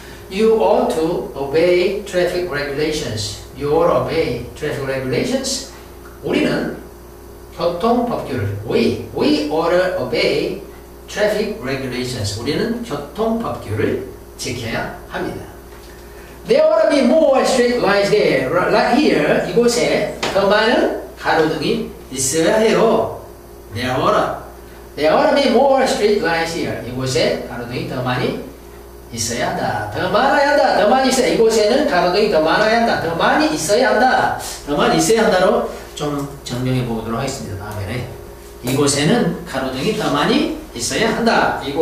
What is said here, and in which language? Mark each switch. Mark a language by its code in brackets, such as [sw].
[en] You ought to obey traffic regulations. You ought to obey traffic regulations. [ko] 우리는 교통법규를 [en] we ought to obey traffic regulations. [ko] 우리는 교통법규를 지켜야 합니다. [en] There ought to be more street lights there, like here. [ko] 이곳에 더 많은 가로등이 있어야 해요. [en] There ought to be more street lights here. [ko] 이곳에 가로등이 더 많이 있어야 한다. 더 많아야 한다. 더 많이 있어야 이곳에는 가로등이 더 많아야 한다. 더 많이 있어야 한다. 더 많이 있어야 한다로 좀 정명해 보도록 하겠습니다. 다음에 이곳에는 가로등이 더 많이 있어야 한다.